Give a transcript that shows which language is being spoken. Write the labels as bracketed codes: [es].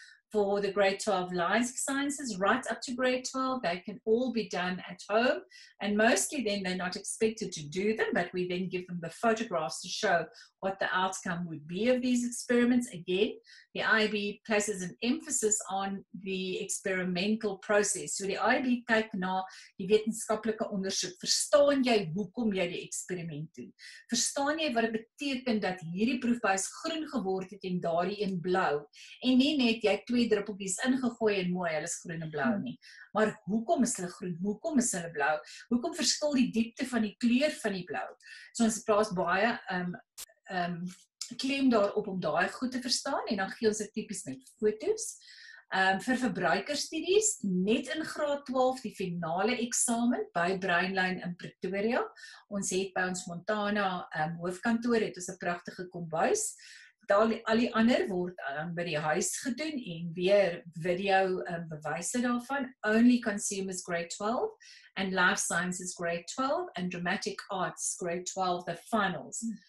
[en] For the grade 12 life sciences, right up to grade 12, they can all be done at home. And mostly then they're not expected to do them, but we then give them the photographs to show what the outcome would be of these experiments. Again, the IB places an emphasis on the experimental process. [af] So the IB kyk na die wetenskaplike ondersoek. Verstaan jy hoekom jy die eksperiment doen? Verstaan jy wat dit beteken dat hierdie proefbuis groen geword het en daardie een blou? En nie net jy twee druppeltjies ingegooi en mooi, hulle is groen en blou nie. Maar hoekom is hulle groen? Hoekom is hulle blou? Hoekom verskil die diepte van die kleur van die blou? So ons plaas baie klem daarop om daai goed te verstaan en dan gee ons dit tipies met foto's. Vir verbruikerstudies, net in graad 12, die finale eksamen by Brainline in Pretoria. Ons het by ons Montana hoofkantoor, het ons 'n pragtige kombuis. Al die ander word by die huis gedoen en weer video bewyse daarvan. [en] Only consumers grade 12 and life sciences grade 12 and dramatic arts grade 12, the finals.